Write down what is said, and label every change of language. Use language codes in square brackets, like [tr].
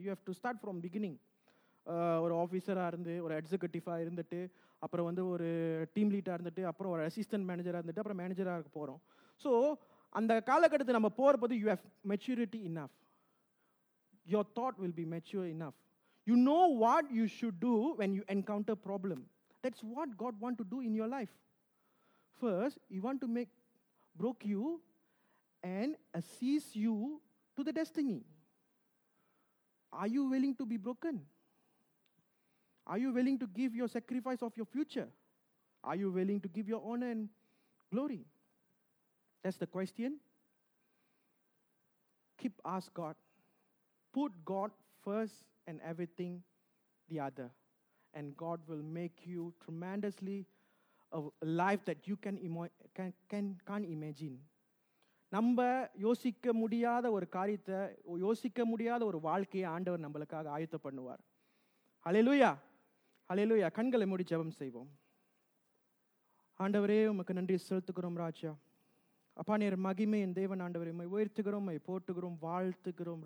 [en] You have to start from beginning. [ta] ஒரு ஆஃபீஸராக இருந்து, ஒரு எக்ஸிகூட்டிவாக இருந்துட்டு, அப்புறம் வந்து ஒரு டீம் லீடாக இருந்துட்டு, அப்புறம் ஒரு அசிஸ்டன்ட் மேனேஜராக இருந்துட்டு, அப்புறம் மேனேஜராக இருக்க போகிறோம். ஸோ அந்த காலகட்டத்தில் நம்ம போகிறப்போது [en] You have maturity enough, your thought will be mature enough, You know what you should do when you encounter problem. That's what God wants to do in your life. First, He wants to make broke you and assist you to the destiny. Are you willing to be broken? Are you willing to give your sacrifice of your future? Are you willing to give your honor and glory? That's the question. Keep ask God. Put God first and everything the other. And God will make you tremendously a life that you can't imagine. [ta] நம்ம யோசிக்க முடியாத ஒரு காரியத்தை, யோசிக்க முடியாத ஒரு வாழ்க்கையை ஆண்டவர் நம்மளுக்காக ஆயத்தம் பண்ணுவார். ஹல்லேலூயா, ஹல்லேலூயா. கண்களை மூடி ஜெபம் செய்வோம். ஆண்டவரே, உமக்கு நன்றி செலுத்துகிறோம். ராஜா அப்பா, நேர் மகிமை என் தேவன் ஆண்டவரே, உம்மை உயர்த்துகிறோம், உம்மை போட்டுகிறோம், வாழ்த்துகிறோம்.